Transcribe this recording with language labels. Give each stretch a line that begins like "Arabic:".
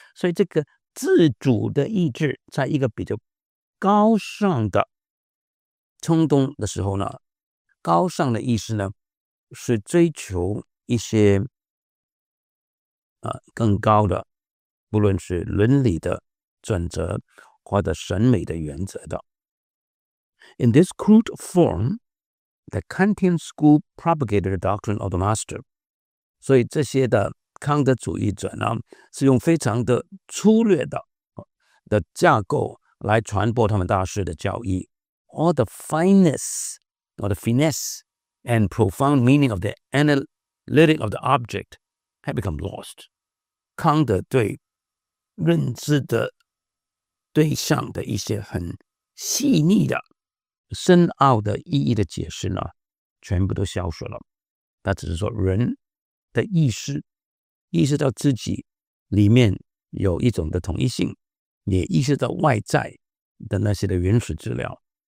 Chinese: 所以这个自主的意志在一个比较高尚的冲动的时候呢，高尚的意识呢是追求一些更高的，不论是伦理的准则或者审美的原则的。
English: In this crude form, the Kantian school propagated the doctrine of the master.
Chinese: 所以这些的康德主义者呢，是用非常的粗略 的架构来传播他们大师的教义。
English: All the fineness or the finesse and profound meaning of the analytic of the object had become lost.
Chinese: 康德对认知的对象的一些很细腻的深奥的意义的解释呢，全部都消失了。他只是说人的意识意识到自己里面有一种的统一性，也意识到外在的那些的原始资料。